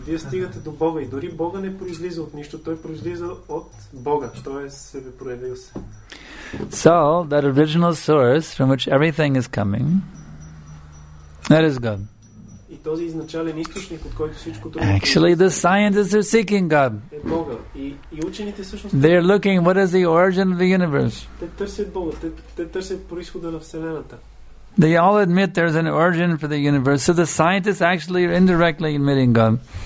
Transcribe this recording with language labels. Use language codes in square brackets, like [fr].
[bg] Вие стигате до Бога и дори Бога не произлиза от нищо, той произлиза от Бога, той е себе проявил се. [en] So, that original source from which everything is coming, that is God. [bg] И този изначален източник, от който всичко друго. [en] Actually, the scientists are seeking God. [bg] Е Бога. И учените всъщност. [en] They're looking what is the origin of the universe. [bg] Те търсят Бога, те търсят произхода на вселената. [en] They all admit there's an origin for the universe. So the scientists actually are indirectly admitting God.